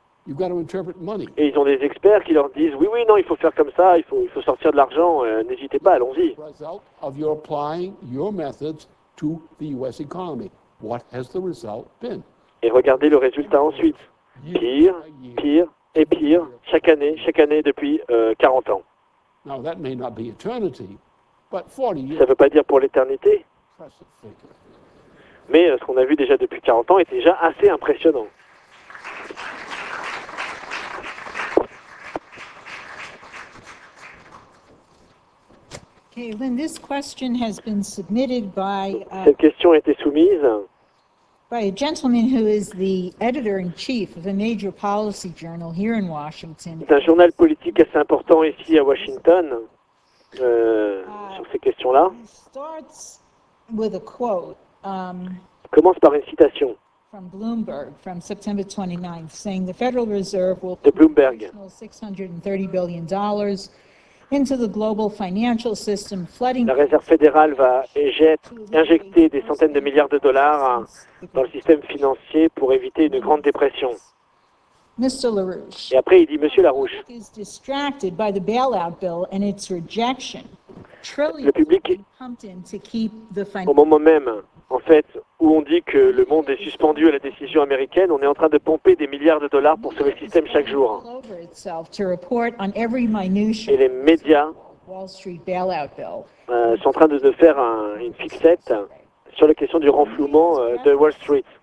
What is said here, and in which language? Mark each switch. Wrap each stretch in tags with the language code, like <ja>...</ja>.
<fr>Et ils ont des experts qui leur disent « Oui, oui, non, il faut faire comme ça, il faut sortir de l'argent, n'hésitez pas, allons-y. » Et regardez le résultat ensuite. Pire, pire et pire, chaque année depuis 40 ans.</fr> <en>Now, that may not be eternity, but 40 years.</en> <fr>Ça ne veut pas dire pour l'éternité. Mais ce qu'on a vu déjà depuis 40 ans est déjà assez impressionnant.</fr> <en>Okay, Lynn, this question has been submitted by,</en> <fr>cette question a été soumise</fr> <en>by a gentleman who is the editor-in-chief of a major policy journal here in Washington.</en> <fr>C'est un journal politique assez important ici à Washington sur ces questions-là.</fr> <en>Starts with a quote,</en> <fr>commence par une citation</fr> <en>from Bloomberg from September 29th, saying the Federal Reserve will</en> <fr>de Bloomberg</fr> <en>put $630 billion into the global financial system, flooding</en> <fr>la réserve fédérale va injecter des centaines de milliards de dollars dans le système financier pour éviter une grande dépression.</fr> <en>Mr. LaRouche,</en> <fr>et après il dit Monsieur LaRouche,</fr> <en>is distracted by the bailout bill and its rejection.</en> <fr>Le public au moment même en fait où on dit que le monde est suspendu à la décision américaine, on est en train de pomper des milliards de dollars pour sauver le système chaque jour. Et les médias sont en train de faire une fixette sur la question du renflouement de Wall Street.</fr>